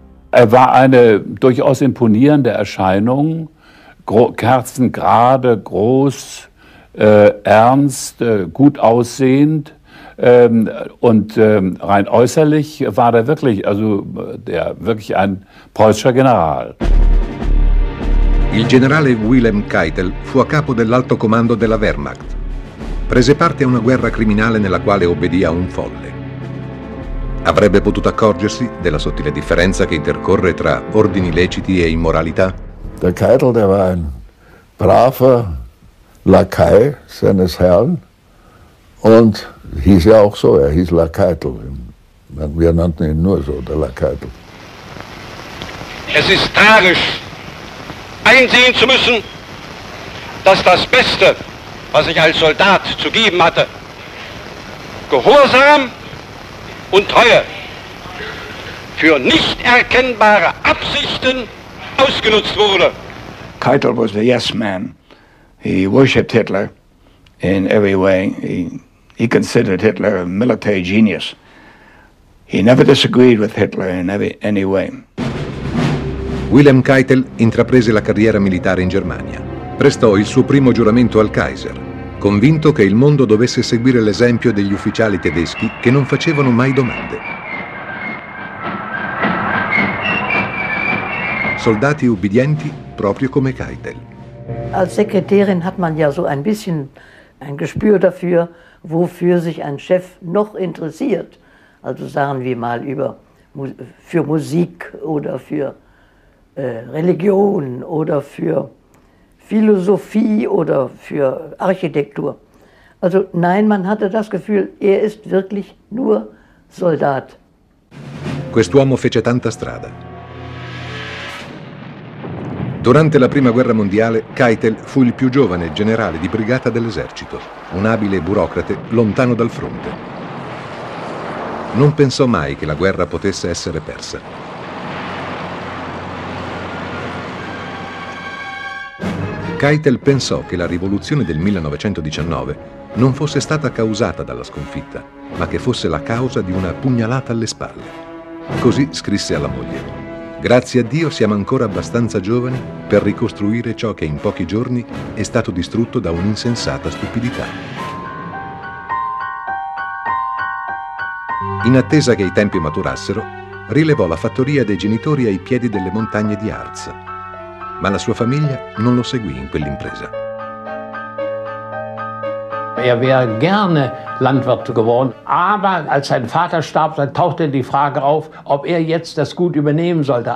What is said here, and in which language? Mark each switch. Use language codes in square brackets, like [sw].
[de] Er war eine durchaus imponierende Erscheinung, kerzengerade, groß, ernst, gut aussehend und rein äußerlich war er wirklich, also der wirklich ein preußischer General. [it] Il generale Wilhelm Keitel fu a capo dell'alto comando della Wehrmacht. Prese parte a una guerra criminale nella quale obbedì a un folle. Avrebbe potuto accorgersi della sottile differenza che intercorre tra ordini leciti e immoralità? [de] Der Keitel, der war ein braver Lakai seines Herrn und hieß ja auch so, er hieß Lakaitel. Wir nannten ihn nur so, der Lakaitel. Es ist tragisch, einsehen zu müssen, dass das Beste, was ich als Soldat zu geben hatte, Gehorsam und Treue für nicht erkennbare Absichten ausgenutzt wurde. [en] Keitel was the yes man. He worshipped Hitler in every way. He considered Hitler a military genius. He never disagreed with Hitler in any way. [it] Wilhelm Keitel intraprese la carriera militare in Germania. Prestò il suo primo giuramento al Kaiser, convinto che il mondo dovesse seguire l'esempio degli ufficiali tedeschi che non facevano mai domande. Soldati ubbidienti, proprio come Keitel. [de] Als Sekretärin hat man ja so ein bisschen ein Gespür dafür, wofür sich ein Chef noch interessiert. Also sagen wir mal über für Musik oder für Religion oder für Philosophie oder für Architektur. Also nein, man hatte das Gefühl, er ist wirklich nur Soldat. [it] Quest'uomo fece tanta strada. Durante la Prima Guerra Mondiale, Keitel fu il più giovane generale di brigata dell'esercito, un abile burocrate lontano dal fronte. Non pensò mai che la guerra potesse essere persa. Keitel pensò che la rivoluzione del 1919 non fosse stata causata dalla sconfitta, ma che fosse la causa di una pugnalata alle spalle. Così scrisse alla moglie: «Grazie a Dio siamo ancora abbastanza giovani per ricostruire ciò che in pochi giorni è stato distrutto da un'insensata stupidità». In attesa che i tempi maturassero, rilevò la fattoria dei genitori ai piedi delle montagne di Harz. Ma la sua famiglia non lo seguì in quell'impresa. [de] er wäre gerne Landwirt geworden. Aber als sein Vater starb, dann tauchte die Frage auf, ob er jetzt das Gut übernehmen sollte.